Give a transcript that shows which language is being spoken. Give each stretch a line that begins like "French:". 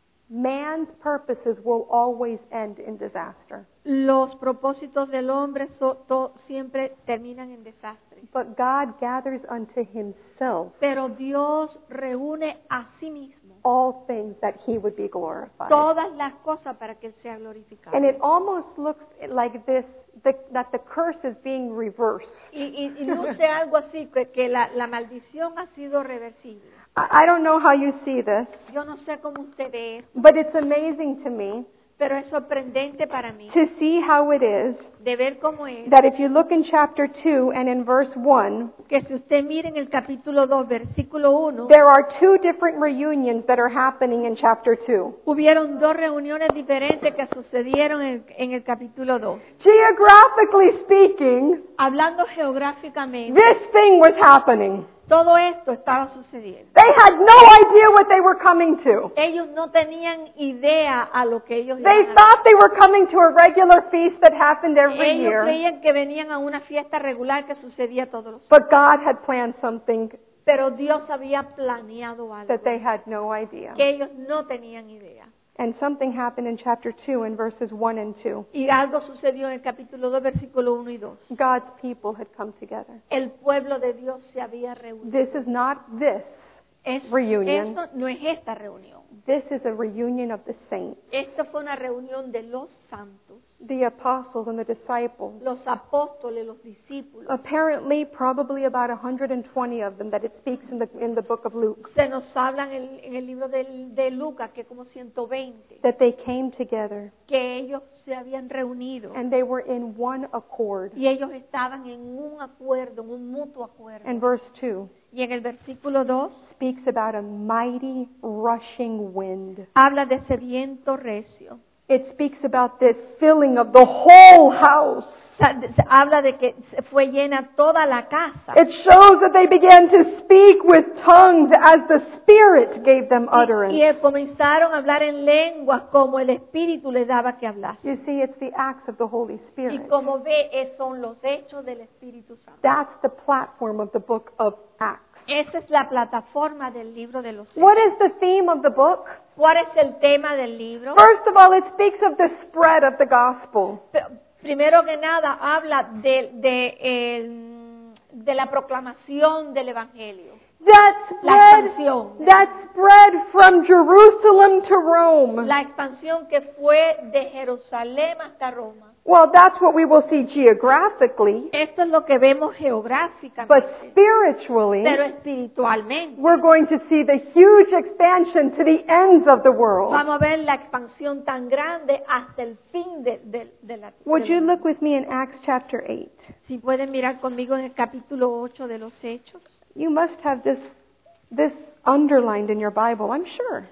English: Man's purposes will always end in disaster.
Spanish: Los propósitos del hombre siempre terminan en desastre.
English: But God gathers unto himself.
Spanish: Pero Dios reúne a sí mismo.
English: All things that he would be glorified.
Spanish: Todas las cosas para que él sea glorificado.
English: And it almost looks like this, that the curse is being reversed.
Spanish: Y luce algo así, que la maldición ha sido reversible.
English: I don't know how you see this.
Spanish: Yo no sé cómo usted ve esto.
English: But it's amazing to me.
Spanish: Pero es sorprendente para mí.
English: To see how it is.
Spanish: De ver cómo es.
English: That if you look in chapter 2 and in verse 1.
Spanish: Que si usted mira en el capítulo 2, versículo 1.
English: There are two different reunions that are happening in chapter 2.
Spanish: Hubieron dos reuniones diferentes que sucedieron en el capítulo 2.
English: Geographically speaking.
Spanish: Hablando geográficamente.
English: This thing was happening.
Spanish: Todo esto estaba sucediendo.
English: They had no idea what they were coming to.
Spanish: Ellos no tenían idea a lo que ellos
English: they
Spanish: iban a
English: thought they were coming to a regular feast that happened every
Spanish: ellos
English: year.
Spanish: Creían que venían a una fiesta regular que sucedía todos los
English: but God had planned something
Spanish: pero Dios había planeado algo
English: that they had no idea.
Spanish: Que ellos no tenían idea.
English: And something happened in chapter 2 in verses 1 and 2.
Spanish: Y algo sucedió en el capítulo 2, versículo 1 y 2.
English: God's people had come together.
Spanish: El pueblo de Dios se había reunido.
English: This is not this reunion.
Spanish: Esto no es esta reunión.
English: This is a reunion of the saints.
Spanish: Esto fue una reunión de los santos.
English: The apostles and the disciples.
Spanish: Los apóstoles, los discípulos.
English: Apparently, probably about 120 of them that it speaks in the book of Luke.
Spanish: Se nos hablan en el libro de Lucas que como 120.
English: That they came together.
Spanish: Que ellos se habían reunido.
English: And they were in one accord.
Spanish: Y ellos estaban en un acuerdo, en un mutuo acuerdo.
English: And verse 2.
Spanish: Y en el versículo 2.
English: Speaks about a mighty rushing wind.
Spanish: Habla de ese viento recio.
English: It speaks about the filling of the whole house.
Spanish: Habla de que fue llena toda la casa.
English: It shows that they began to speak with tongues as the Spirit gave them utterance.
Spanish: Y comenzaron a hablar en lenguas como el Espíritu les daba que hablar.
English: You see, it's the acts of the Holy Spirit.
Spanish: Y como ve, son los hechos del Espíritu Santo.
English: That's the platform of the book of Acts.
Spanish: Esa es la plataforma del libro de los.
English: What is the theme of the book?
Spanish: ¿Cuál es el tema del libro?
English: First of all, it speaks of the spread of the gospel.
Spanish: Primero que nada, habla de la proclamación del evangelio.
English: That spread, from Jerusalem to Rome.
Spanish: La expansión que fue de Jerusalén hasta Roma.
English: Well, that's what we will see geographically.
Spanish: Esto es lo que vemos geográficamente.
English: But spiritually,
Spanish: pero espiritualmente,
English: we're going to see the huge expansion to the ends of the world.
Spanish: Vamos a ver la expansión tan grande hasta el fin de la tierra.
English: Would you look with me in Acts chapter 8?
Spanish: Si pueden mirar conmigo en el capítulo 8 de los Hechos.
English: You must have this underlined in your Bible, I'm sure.